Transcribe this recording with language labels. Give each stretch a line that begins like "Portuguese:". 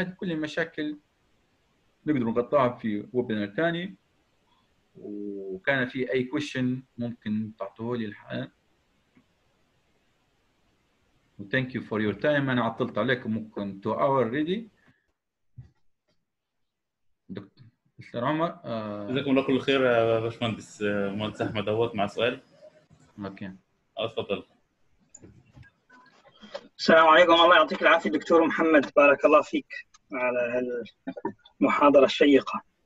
Arabic: فهذه كل المشاكل نقدر نغطيها في ويبينار ثاني. وكان في اي question ممكن تعطوه لي الحال.
English: Thank you for your time.
Arabic: انا عطلت عليكم ممكن
English: 2 hour ready.
Arabic: دكتور عمر جزاكم الله كل خير يا باشمهندس مهندس احمد دوت مع سؤال. اوكي اتفضل. السلام عليكم. الله يعطيك العافية دكتور محمد, بارك الله فيك على المحاضرة الشيقة.